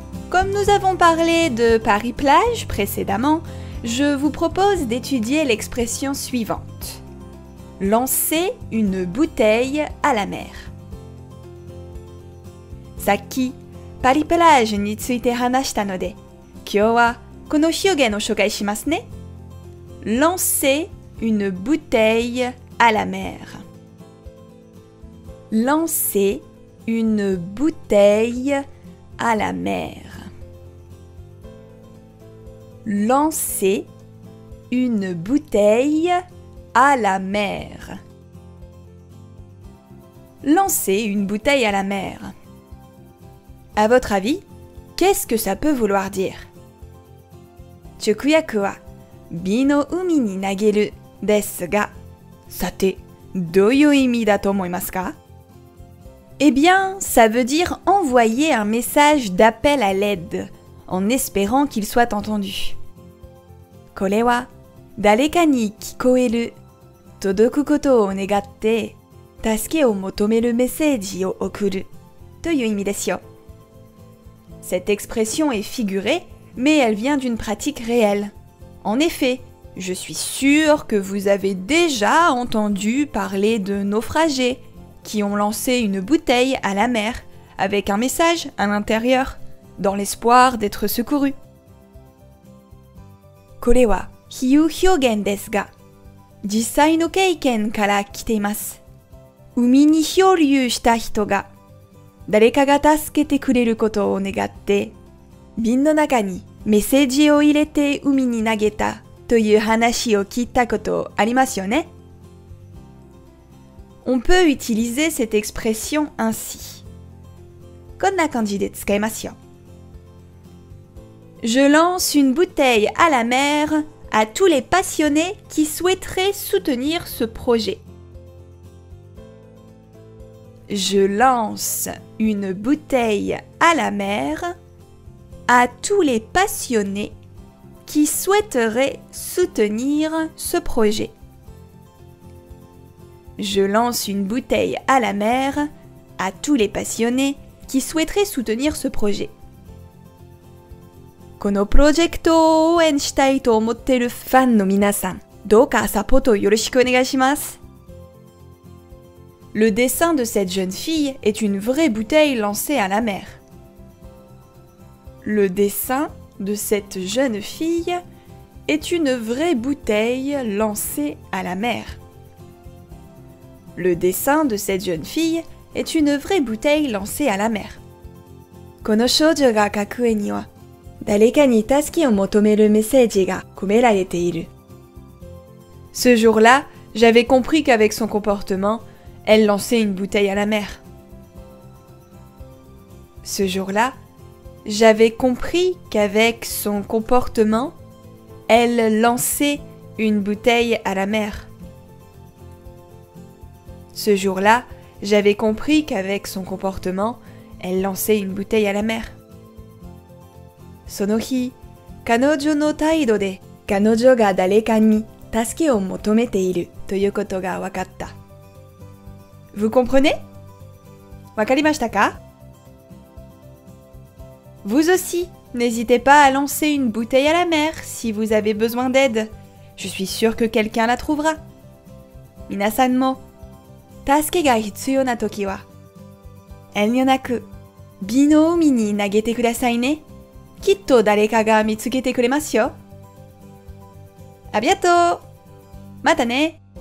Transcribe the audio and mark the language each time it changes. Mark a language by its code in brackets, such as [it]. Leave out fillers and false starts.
[fr] Comme nous avons parlé de Paris-Plage précédemment, je vous propose d'étudier l'expression suivante. Lancer une bouteille à la mer. [ja] さっき、パリプラージュについて話したので、今日はこの表現を紹介しますね。 [fr] Lancer une bouteille à la mer. Lancer une bouteille à la mer. Lancer une bouteille à la mer. Lancer une bouteille à la mer. À votre avis, qu'est-ce que ça peut vouloir dire? [ja] 直訳は、瓶の海に投げるですが、さて、どういう意味だと思いますか? [fr] Eh bien, ça veut dire envoyer un message d'appel à l'aide, en espérant qu'il soit entendu. [ja] これは、誰かに聞こえる、届くことを願って、助けを求めるメッセージを送る、という意味ですよ。 [fr] Cette expression est figurée, mais elle vient d'une pratique réelle. En effet, je suis sûre que vous avez déjà entendu parler de naufragés qui ont lancé une bouteille à la mer avec un message à l'intérieur, dans l'espoir d'être secourus. [ja] これは比喩表現ですが、実際の経験から来ています。海に漂流した人が、誰かが助けてくれることを願って、瓶の中にメッセージを入れて海に投げたという話を聞いたことありますよね? [fr] On peut utiliser cette expression ainsi. [ja] こんな感じで使いますよ。 [fr] Je lance une bouteille à la mer à tous les passionnés qui souhaiteraient soutenir ce projet. Je lance une bouteille à la mer à tous les passionnés qui souhaiteraient soutenir ce projet. Je lance une bouteille à la mer à tous les passionnés qui souhaiteraient soutenir ce projet. [ja] このプロジェクトを応援したいと思っているファンの皆さん、どうかサポートよろしくお願いします。 [fr] Le dessin de cette jeune fille est une vraie bouteille lancée à la mer. Le dessin de cette jeune fille est une vraie bouteille lancée à la mer. Le dessin de cette jeune fille est une vraie bouteille lancée à la mer. [ja] この少女が書く絵には、誰かに助けを求めるメッセージが込められている。 [fr] Ce jour-là, j'avais compris qu'avec son comportement,Elle lançait une bouteille à la mer. Ce jour-là, j'avais compris qu'avec son comportement, elle lançait une bouteille à la mer. Ce jour-là, j'avais compris qu'avec son comportement, elle lançait une bouteille à la mer. [ja] その日、彼女の態度で彼女が誰かに助けを求めているということが分かった。 [fr] Vous comprenez? [ja] わかりましたか? [fr] Vous aussi, n'hésitez pas à lancer une bouteille à la mer si vous avez besoin d'aide. Je suis sûre que quelqu'un la trouvera. [ja] 皆さんも、助けが必要な時は、遠慮なく、瓶の海に投げてくださいね。きっと誰かが見つけてくれますよ。あ、ありがとう。またね。